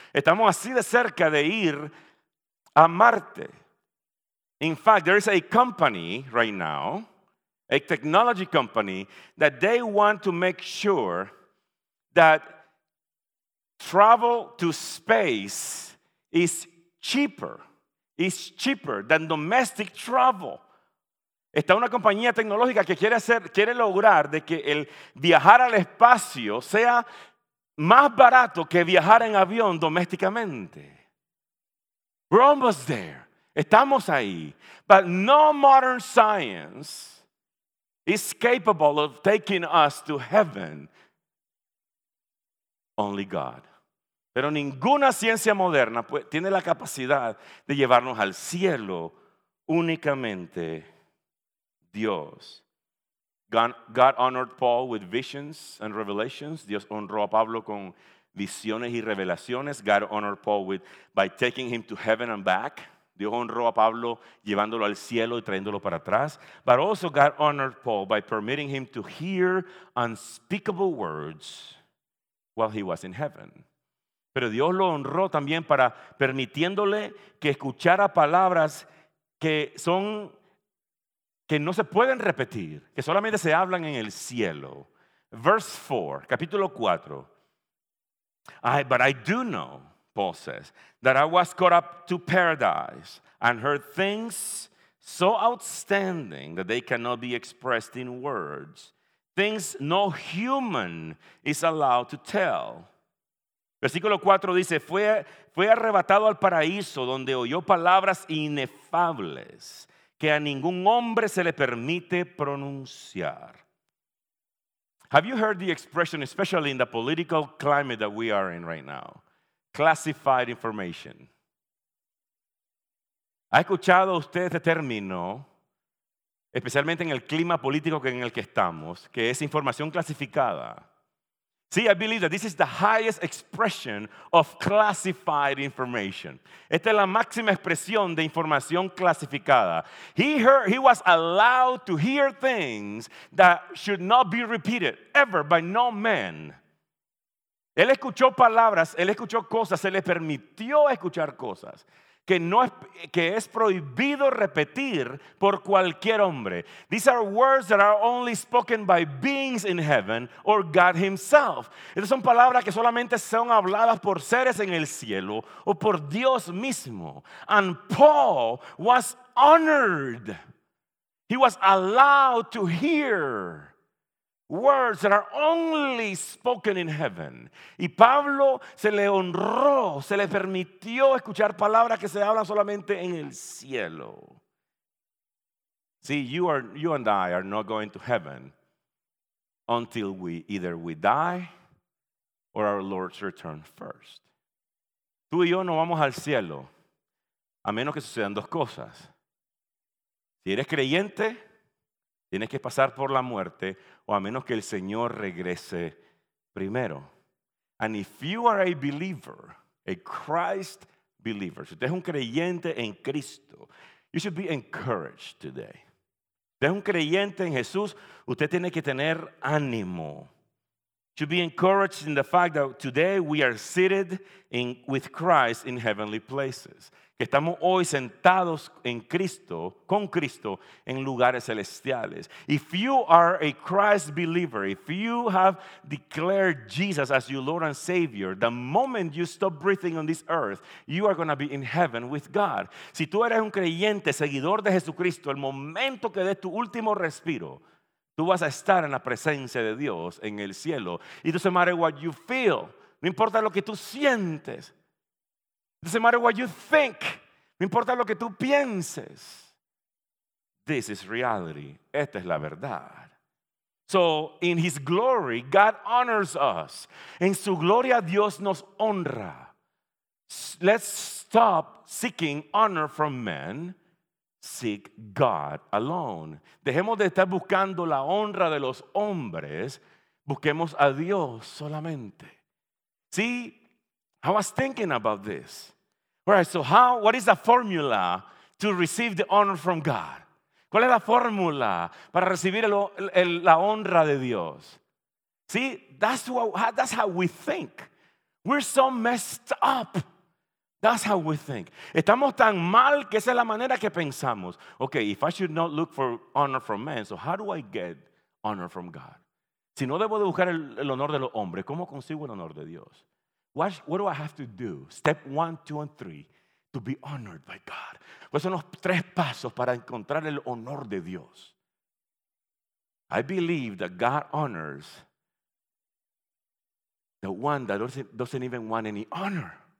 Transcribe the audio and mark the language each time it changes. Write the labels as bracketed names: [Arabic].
[Spanish] Estamos así de cerca de ir a Marte. [English] In fact, there is a company right now, a technology company, that they want to make sure that travel to space is cheaper. Is cheaper than domestic travel. [Spanish] Está una compañía tecnológica que quiere lograr de que el viajar al espacio sea más barato que viajar en avión domésticamente. [English] We're almost there. [Spanish] Estamos ahí. [English] But no modern science is capable of taking us to heaven. Only God. [Spanish] Pero ninguna ciencia moderna tiene la capacidad de llevarnos al cielo, únicamente Dios. [English] God honored Paul with visions and revelations. [Spanish] Dios honró a Pablo con visiones y revelaciones. [English] God honored Paul by taking him to heaven and back. [Spanish] Dios honró a Pablo llevándolo al cielo y trayéndolo para atrás. [English] But also God honored Paul by permitting him to hear unspeakable words while he was in heaven. [Spanish] Pero Dios lo honró también para permitiéndole que escuchara palabras que no se pueden repetir, que solamente se hablan en el cielo. [English] Verse 4, [Spanish] capítulo 4. [English] But I do know, Paul says, that I was caught up to paradise and heard things so outstanding that they cannot be expressed in words. Things no human is allowed to tell. [Spanish] Versículo 4 dice, fue arrebatado al paraíso donde oyó palabras inefables que a ningún hombre se le permite pronunciar. [English] Have you heard the expression, especially in the political climate that we are in right now? Classified information. [Spanish] ¿Ha escuchado usted este término, especialmente en el clima político en el que estamos, que es información clasificada? [English] See, I believe that this is the highest expression of classified information. [Spanish] Esta es la máxima expresión de información clasificada. [English] He was allowed to hear things that should not be repeated ever by no man. [Spanish] Él escuchó palabras, él escuchó cosas, se le permitió escuchar cosas que es prohibido repetir por cualquier hombre. [English] These are words that are only spoken by beings in heaven or God himself. [Spanish] Estas son palabras que solamente son habladas por seres en el cielo o por Dios mismo. [English] And Paul was honored. He was allowed to hear words that are only spoken in heaven. [Spanish] Y Pablo se le honró, se le permitió escuchar palabras que se hablan solamente en el cielo. [English] See, you and I are not going to heaven until we either we die or our Lord's return first. [Spanish] Tú y yo no vamos al cielo a menos que sucedan dos cosas. Si eres creyente, tienes que pasar por la muerte o a menos que el Señor regrese primero. [English] And if you are a believer, a Christ believer, [Spanish] si usted es un creyente en Cristo, [English] you should be encouraged today. [Spanish] Usted es un creyente en Jesús, usted tiene que tener ánimo. [English] To be encouraged in the fact that today we are seated in, with Christ in heavenly places. [Spanish] Que estamos hoy sentados en Cristo, con Cristo, en lugares celestiales. [English] If you are a Christ believer, if you have declared Jesus as your Lord and Savior, the moment you stop breathing on this earth, you are going to be in heaven with God. [Spanish] Si tú eres un creyente, seguidor de Jesucristo, el momento que des tu último respiro, tú vas a estar en la presencia de Dios en el cielo. [English] It doesn't matter what you feel. [Spanish] No importa lo que tú sientes. [English] It doesn't matter what you think. [Spanish] No importa lo que tú pienses. [English] This is reality. [Spanish] Esta es la verdad. [English] So, in His glory, God honors us. [Spanish] En su gloria, Dios nos honra. [English] Let's stop seeking honor from men. Seek God alone. [Spanish] Dejemos de estar buscando la honra de los hombres. Busquemos a Dios solamente. [English] See, I was thinking about this. All right, so how, what is the formula to receive the honor from God? [Spanish] ¿Cuál es la fórmula para recibir la honra de Dios? [English] See, that's how we think. We're so messed up. That's how we think. [Spanish] Estamos tan mal que esa es la manera que pensamos. [English] Okay, if I should not look for honor from men, so how do I get honor from God? [Spanish] Si no debo de buscar el honor de los hombres, ¿cómo consigo el honor de Dios? [English] What do I have to do? Step one, two, and three, to be honored by God. [Spanish] ¿Cuáles son los tres pasos para encontrar el honor de Dios? [English] I believe that God honors the one that doesn't even want any honor.